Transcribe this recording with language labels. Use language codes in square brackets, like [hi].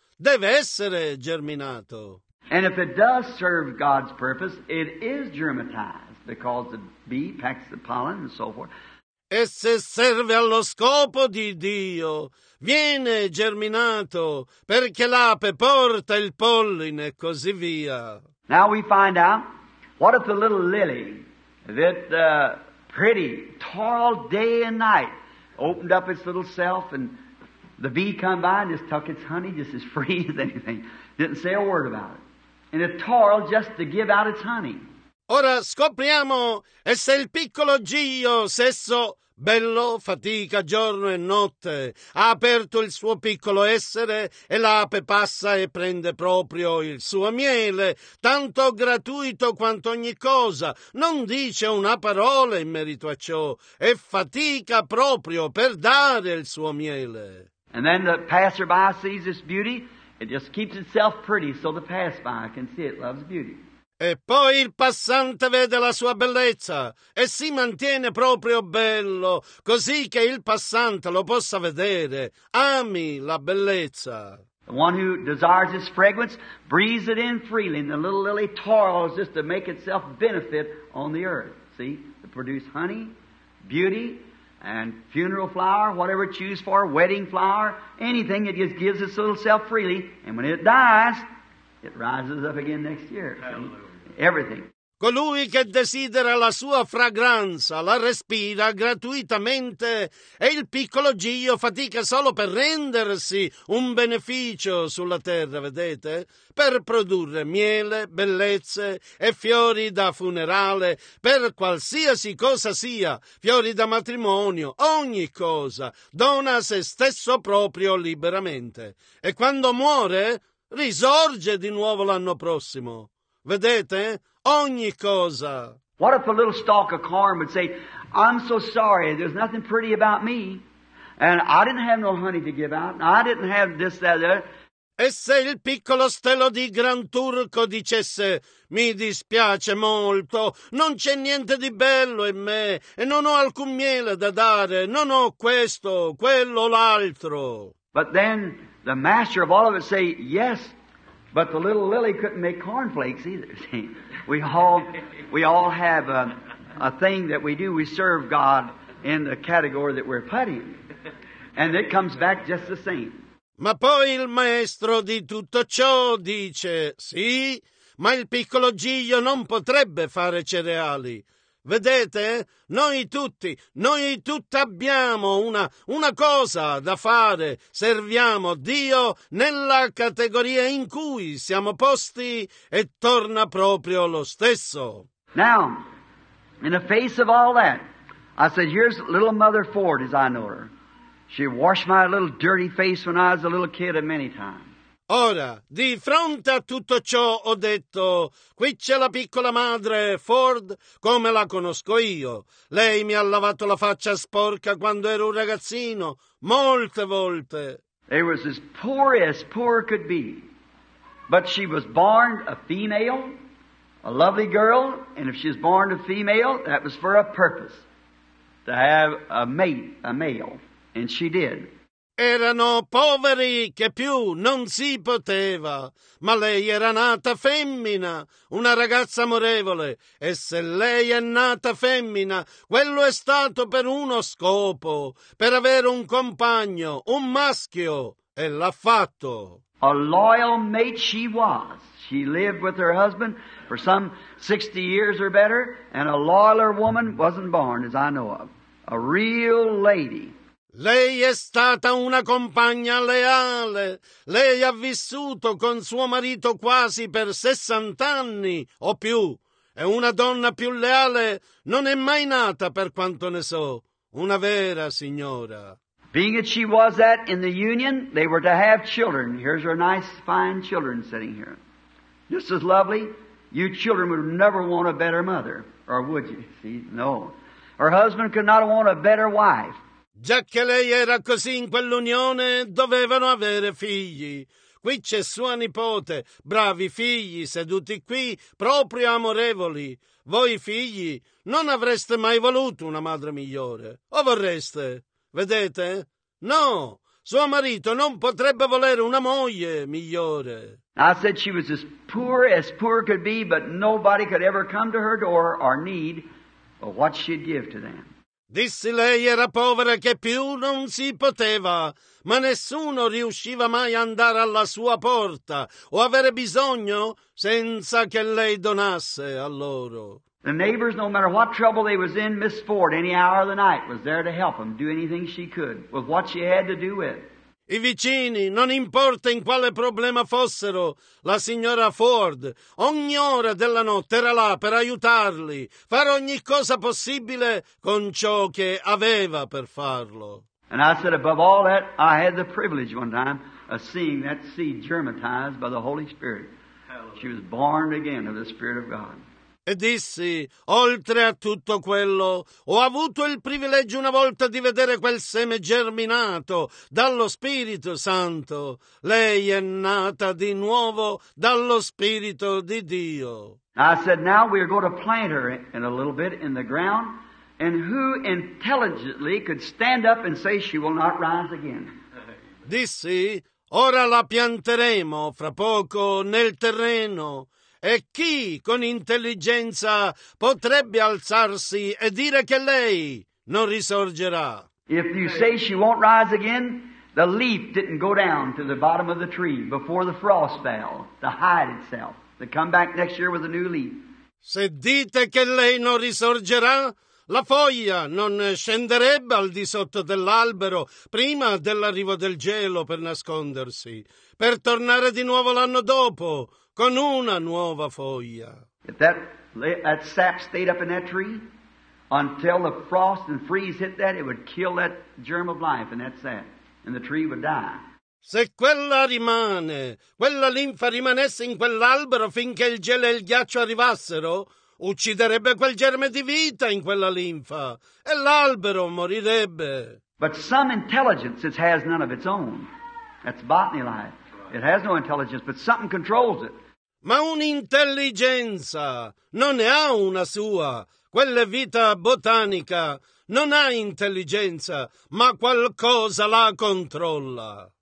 [it] Deve essere germinato. [en] And if it does serve God's purpose, it is germinized because the bee packs the pollen and so forth. [it] E se serve allo scopo di Dio, viene germinato perché l'ape porta il polline e così via. [en] Now we find out, what if the little lily, that pretty, tall day and night, opened up its little self and the bee come by and just tuck its honey just as free as anything, didn't say a word about it. And it toiled just to give out its honey. [it] Ora scopriamo, e se il piccolo giglio, sesso bello, fatica giorno e notte, ha aperto il suo piccolo essere, e l'ape passa e prende proprio il suo miele, tanto gratuito quanto ogni cosa, non dice una parola in merito a ciò, e fatica proprio per dare il suo miele. [en] And then the passerby sees this beauty. It just keeps itself pretty so the passerby can see it loves beauty. [it] E poi il passante vede la sua bellezza e si mantiene proprio bello, così che il passante lo possa vedere. Ami la bellezza. [en] The one who desires its fragrance breathes it in freely, and the little lily toils just to make itself benefit on the earth. See? To produce honey, beauty, and funeral flower, whatever it chooses for, wedding flower, anything, it just gives its little self freely. And when it dies, it rises up again next year. Hallelujah. Everything. [it] Colui che desidera la sua fragranza, la respira gratuitamente, e il piccolo giglio fatica solo per rendersi un beneficio sulla terra, vedete? Per produrre miele, bellezze e fiori da funerale, per qualsiasi cosa sia, fiori da matrimonio, ogni cosa, dona se stesso proprio liberamente. E quando muore, risorge di nuovo l'anno prossimo. Vedete? Ogni cosa. [en] What if a little stalk of corn would say, I'm so sorry, there's nothing pretty about me, and I didn't have no honey to give out, and I didn't have this, that, that. [it] E se il piccolo stelo di Gran Turco dicesse, mi dispiace molto, non c'è niente di bello in me, e non ho alcun miele da dare, non ho questo, quello, l'altro. [en] But then the master of all of it say, yes, but the little lily couldn't make cornflakes either, see? We all have a thing that we do. We serve God in the category that we're putty in. And it comes back just the same. [it] Ma poi il maestro di tutto ciò dice, sì, ma il piccolo giglio non potrebbe fare cereali. Vedete? Noi tutti abbiamo una cosa da fare. Serviamo Dio nella categoria in cui siamo posti e torna proprio lo stesso. [en] Now, in the face of all that, I said, here's little Mother Ford as I know her. She washed my little dirty face when I was a little kid many times. [it] Ora, di fronte a tutto ciò ho detto, qui c'è la piccola madre Ford, come la conosco io. Lei mi ha lavato la faccia sporca quando ero un ragazzino, molte volte. [en] It was as poor could be. But she was born a female, a lovely girl, and if she was born a female, that was for a purpose, to have a mate, a male, and she did. [it] erano poveri che più non si poteva, ma lei era nata femmina, una ragazza amorevole, e se lei è nata femmina, quello è stato per uno scopo, per avere un compagno, un maschio, e l'ha fatto. [en] A loyal mate she was. She lived with her husband for some 60 years or better, and a loyaler woman wasn't born, as I know of. A real lady. [it] Lei è stata una compagna leale. Lei ha vissuto con suo marito quasi per 60 anni o più. E una donna più leale non è mai nata, per quanto ne so. Una vera signora. [en] Being that she was that in the union, they were to have children. Here's her nice, fine children sitting here. Just as lovely. You children would never want a better mother, or would you? See, no. Her husband could not want a better wife. [it] Già che lei era così in quell'unione, dovevano avere figli. Qui c'è sua nipote, bravi figli, seduti qui, proprio amorevoli. Voi figli non avreste mai voluto una madre migliore, o vorreste? Vedete? No, suo marito non potrebbe volere una moglie migliore. [en] I said she was as poor could be, but nobody could ever come to her door or need or what she'd give to them. [it] Dissi lei era povera che più non si poteva, ma nessuno riusciva mai andare alla sua porta o avere bisogno senza che lei donasse a loro. [en] The neighbors, no matter what trouble they was in, Miss Ford, any hour of the night, was there to help them do anything she could with what she had to do with. [it] I vicini, non importa in quale problema fossero, la signora Ford, ogni ora della notte era là per aiutarli, fare ogni cosa possibile con ciò che aveva per farlo. [en] And I said, above all that, I had the privilege one time of seeing that seed germinized by the Holy Spirit. She was born again of the Spirit of God. [it] E dissi, oltre a tutto quello, ho avuto il privilegio una volta di vedere quel seme germinato dallo Spirito Santo. Lei è nata di nuovo dallo Spirito di Dio. [en] I said, now we are going to plant her in a little bit in the ground, and who intelligently could stand up and say she will not rise again? [it] Dissi, ora la pianteremo fra poco nel terreno. E chi con intelligenza potrebbe alzarsi e dire che lei non risorgerà? [en] If you say she won't rise again, the leaf didn't go down to the bottom of the tree before the frost fell to hide itself, to come back next year with a new leaf. [it] Se dite che lei non risorgerà, la foglia non scenderebbe al di sotto dell'albero prima dell'arrivo del gelo per nascondersi, per tornare di nuovo l'anno dopo con una nuova foglia. [en] If that sap stayed up in that tree until the frost and freeze hit that, it would kill that germ of life in that sap, and the tree would die. [it] Se quella rimane, quella linfa rimanesse in quell'albero finché il gelo e il ghiaccio arrivassero, ucciderebbe quel germe di vita in quella linfa, e l'albero morirebbe. [en] But some intelligence it has none of its own. That's botany life. It has no intelligence, but something controls it. [it] Ma un'intelligenza non ne ha una sua. Quella vita botanica non ha intelligenza, ma qualcosa la controlla.